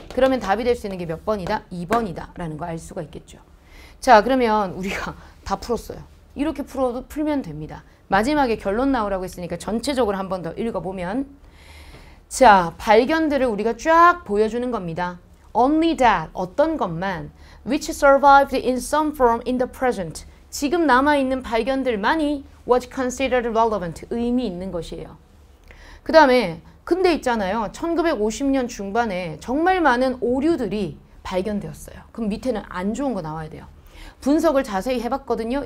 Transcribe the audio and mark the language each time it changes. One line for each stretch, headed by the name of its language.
Korean: 그러면 답이 될 수 있는 게 몇 번이다? 2번이다 라는 거 알 수가 있겠죠. 자, 그러면 우리가 다 풀었어요. 이렇게 풀어도 풀면 됩니다. 마지막에 결론 나오라고 했으니까 전체적으로 한 번 더 읽어보면 자, 발견들을 우리가 쫙 보여주는 겁니다.
English: Only that,
Korean: 어떤 것만
English: which survived in some form in the present.
Korean: 지금 남아있는 발견들만이
English: was considered relevant,
Korean: 의미 있는 것이에요. 그 다음에 근데 있잖아요. 1950년 중반에 정말 많은 오류들이 발견되었어요. 그럼 밑에는 안 좋은 거 나와야 돼요. 분석을 자세히 해봤거든요.